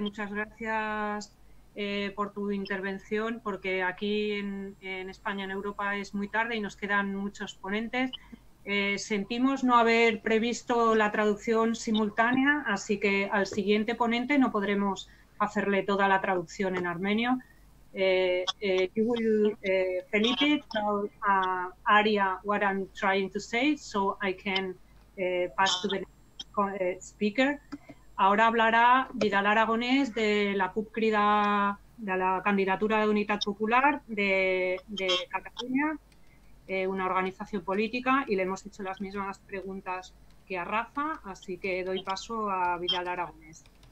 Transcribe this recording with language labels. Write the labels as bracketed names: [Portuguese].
[Spanish] Muchas gracias por tu intervención, porque aquí en España, en Europa, es muy tarde y nos quedan muchos ponentes. Sentimos no haber previsto la traducción simultánea, así que al siguiente ponente no podremos hacerle toda la traducción en armenio. [English] You will Felipe tell Aria what I'm trying to say, so I can pass to the next speaker. [Spanish] Ahora hablará Vidal Aragonés de la CUP Crida, de la candidatura de Unidad Popular de Cataluña, una organización política, y le hemos hecho las mismas preguntas que a Rafa, así que doy paso a Vidal Aragonés.